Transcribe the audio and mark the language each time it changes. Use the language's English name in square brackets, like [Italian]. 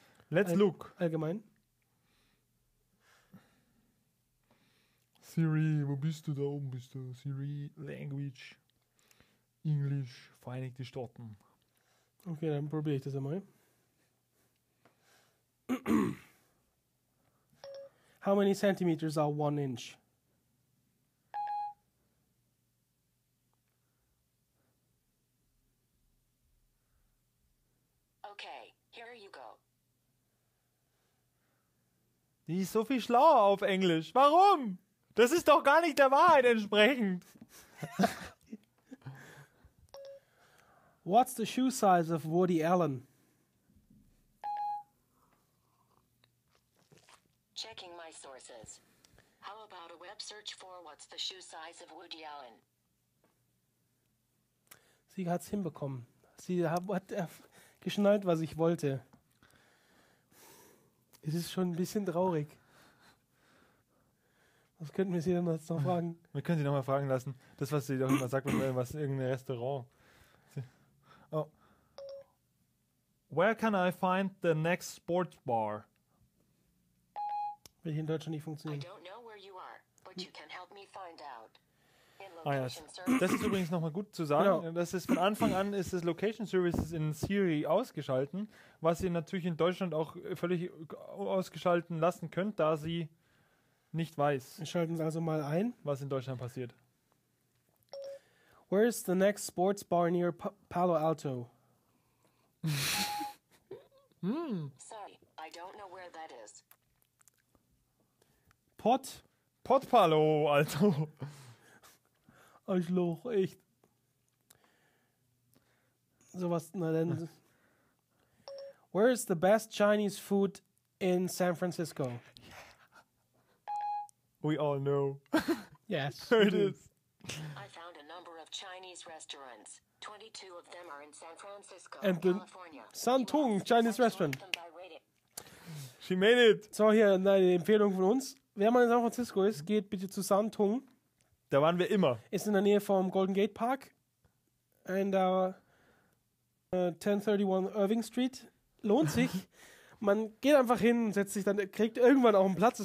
[English] Let's look. [German] Allgemein. Siri, wo bist du? Da oben bist du. Siri, Language, Englisch, Vereinigte Staaten. Okay, dann probiere ich das einmal. [English] How many centimeters are one inch? Okay, here you go. [German] Die ist so viel schlauer auf Englisch. Warum? Das ist doch gar nicht der Wahrheit entsprechend. [English] What's the shoe size of Woody Allen? Checking my sources. How about a web search for what's the shoe size of Woody Allen? [German] Sie hat's hinbekommen. Sie hat geschnallt, was ich wollte. Es ist schon ein bisschen traurig. Was könnten wir sie denn jetzt noch fragen? Wir können sie noch mal fragen lassen. Das, was sie doch immer sagt, was irgendein Restaurant. Oh. [English] Where can I find the next sports bar? [German] Will hier in Deutschland nicht funktionieren. [English] I don't know where you are, but you can help me find out. [German] Ah, ja. Das ist übrigens nochmal gut zu sagen. Ja. Das ist von Anfang an ist das Location Services in Siri ausgeschalten, was ihr natürlich in Deutschland auch völlig ausgeschalten lassen könnt, da sie nicht weiß. Wir schalten es also mal ein. Was in Deutschland passiert. [English] Where is the next sports bar near Palo Alto? Sorry, I don't know where that is. Pot Palo Alto. [German] Ich loch echt. Sowas, na dann. [English] Where is the best Chinese food in San Francisco? We all know. Yes. There it is. I found a number of Chinese restaurants. 22 of them are in San Francisco, and California. San Tung, Chinese restaurant. She made it. [German] So, hier eine Empfehlung von uns. Wer mal in San Francisco ist, geht bitte zu San Tung. Da waren wir immer. Ist in der Nähe vom Golden Gate Park. [English] And 1031 Irving Street. [German] Lohnt sich. Man geht einfach hin, setzt sich dann, kriegt irgendwann auch einen Platz.